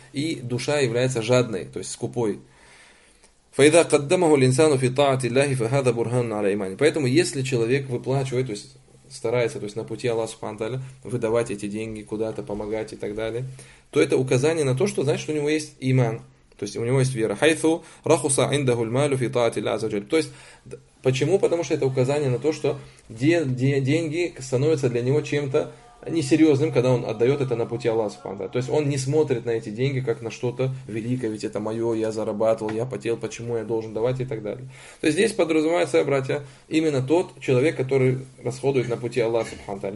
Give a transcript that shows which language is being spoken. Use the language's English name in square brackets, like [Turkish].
[Russian] И душа является жадной, то есть скупой. [Arabic] فَإِذَا قَدَّمَهُ الْإِنسَانُ فِي طَاعَةِ اللَّهِ فَهَذَا بُرْهَانٌ عَلَى إِيمَانِهِ. [Russian] Поэтому если человек выплачивает, то есть старается, то есть на пути Аллаха Субхану Тааля выдавать эти деньги куда-то, помогать и так далее, то это указание на то, что значит, что у него есть иман, то есть у него есть вера. [Arabic] حَيْثُ رَخُصَ عِنْدَهُ الْمَالُ فِي طَاعَةِ اللَّهِ عَزَّ وَجَلَّ. [Russian] То есть почему? Потому что это указание на то, что деньги становятся для него чем-то несерьезным, когда он отдает это на пути Аллаха Субхану Тааля. То есть он не смотрит на эти деньги как на что-то великое, ведь это мое, я зарабатывал, я потел, почему я должен давать и так далее. То есть здесь подразумевается, братья, именно тот человек, который расходует на пути Аллаха Субхану Тааля.